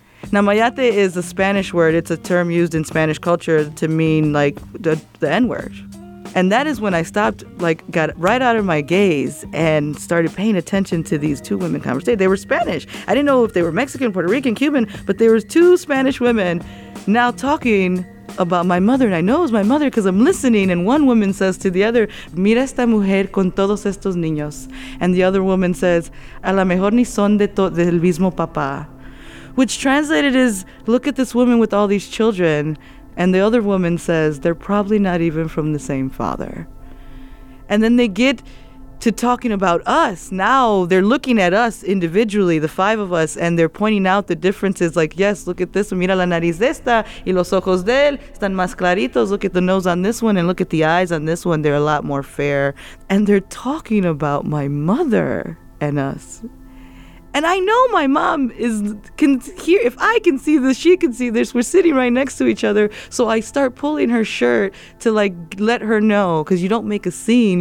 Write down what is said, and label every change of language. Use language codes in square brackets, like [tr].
[en] Now, mayate is a Spanish word. It's a term used in Spanish culture to mean, like, the N-word. And that is when I stopped, like, got right out of my gaze and started paying attention to these two women conversation. They were Spanish. I didn't know if they were Mexican, Puerto Rican, Cuban, but there was two Spanish women now talking about my mother, and I know it was my mother because I'm listening. And one woman says to the other, [es] mira esta mujer con todos estos niños. [en] And the other woman says, [es] a lo mejor ni son del mismo papá. [en] Which translated is, look at this woman with all these children. And the other woman says, they're probably not even from the same father. And then they get to talking about us. Now they're looking at us individually, the five of us, and they're pointing out the differences. Like, yes, look at this one. [es] Mira la nariz de esta y los ojos de él están más claritos. [en] Look at the nose on this one, and look at the eyes on this one. They're a lot more fair. And they're talking about my mother and us. And I know my mom is can hear, if I can see this, she can see this. We're sitting right next to each other. So I start pulling her shirt to like let her know, because you don't make a scene.